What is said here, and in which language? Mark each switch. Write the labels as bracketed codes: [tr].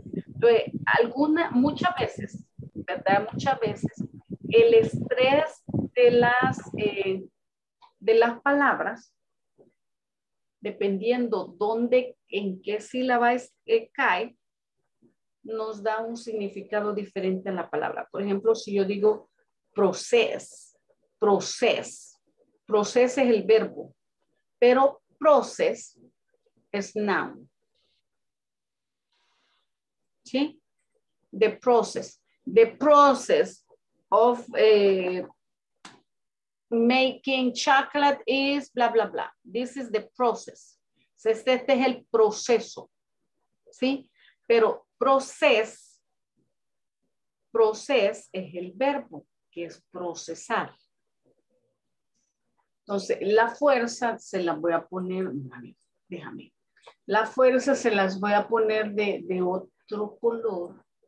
[es] Entonces, muchas veces, el estrés de las palabras, dependiendo dónde, en qué sílaba cae, nos da un significado diferente a la palabra. Por ejemplo, si yo digo process es el verbo, pero process es noun. ¿Sí? [en] The process of making chocolate is bla, bla, bla. This is the process. [es] Este es el proceso. ¿Sí? Pero Proceso es el verbo, que es procesar. Entonces, la fuerza se la voy a poner, déjame. La fuerza se las voy a poner de otro color.